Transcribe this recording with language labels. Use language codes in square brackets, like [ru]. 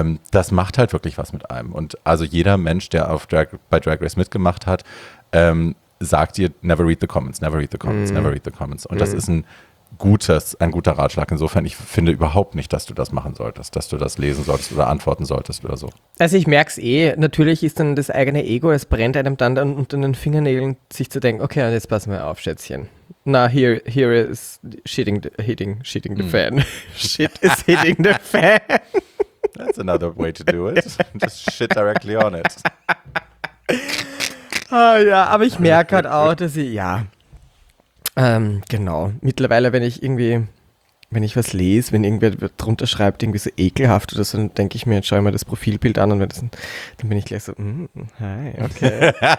[de] Das macht halt wirklich was mit einem. Und also jeder Mensch, der bei Drag Race mitgemacht hat, sagt dir, [en] never read the comments, [de] never read the comments, never read the comments. Und das ist ein guter Ratschlag. Insofern, ich finde überhaupt nicht, dass du das machen solltest, dass du das lesen solltest oder antworten solltest oder so. Also ich merke es eh, natürlich ist dann das eigene Ego, es brennt einem dann unter den Fingernägeln, sich zu denken, okay, jetzt passen wir auf, Schätzchen. [en] Na, here is shitting the fan. Shit is hitting the fan. That's another way to do it. Just shit directly on it. [de] Oh ja, aber ich merke halt auch, dass ich, ja... genau. Mittlerweile, wenn ich was lese, wenn irgendwer drunter schreibt, irgendwie so ekelhaft oder so, dann denke ich mir, jetzt schaue ich mir das Profilbild an und dann bin ich gleich so, hi, okay.